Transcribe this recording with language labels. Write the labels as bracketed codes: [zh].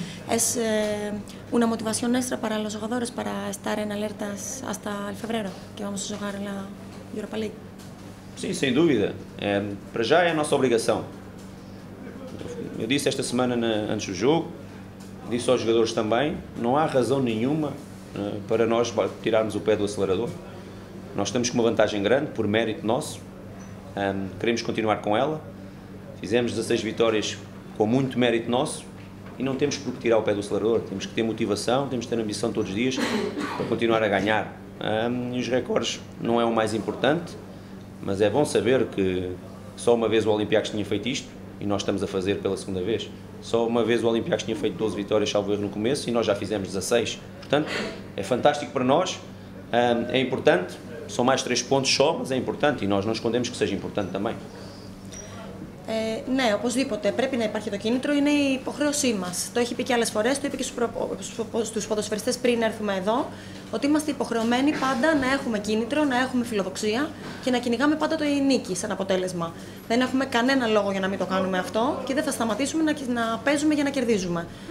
[es] Es una motivación extra para los jugadores para estar en alertas hasta el febrero, que vamos a jugar la Europa League. Sí, sin duda. Para ya es nuestra obligación. Yo dije esta semana antes del juego, dije a los jugadores también, no hay razón ninguna para [pt] nós tirarmos o pé do acelerador. Nós estamos com uma vantagem grande, por mérito nosso, queremos continuar com ela, fizemos 16 vitórias com muito mérito nosso e não temos por que tirar o pé do acelerador, temos que ter motivação, temos que ter ambição todos os dias para continuar a ganhar. E os recordes não é o mais importante, mas é bom saber que só uma vez o Olympiacos tinha feito isto e nós estamos a fazer pela segunda vez. Só uma vez o Olympiacos tinha feito 12 vitórias, salvo erro, no começo e nós já fizemos 16. Portanto, é fantástico para nós, é importante, são mais 3 pontos só, mas é importante e nós não escondemos que seja importante também. [el] Ναι, οπωσδήποτε. Πρέπει να υπάρχει το κίνητρο. Είναι η υποχρέωσή μας. Το έχει πει και άλλες φορές. Το είπε και στους ποδοσφαιριστές πριν έρθουμε εδώ. Ότι είμαστε υποχρεωμένοι πάντα να έχουμε κίνητρο, να έχουμε φιλοδοξία και να κυνηγάμε πάντα το νίκη σαν αποτέλεσμα. Δεν έχουμε κανένα λόγο για να μην το κάνουμε αυτό και δεν θα σταματήσουμε να παίζουμε για να κερδίζουμε.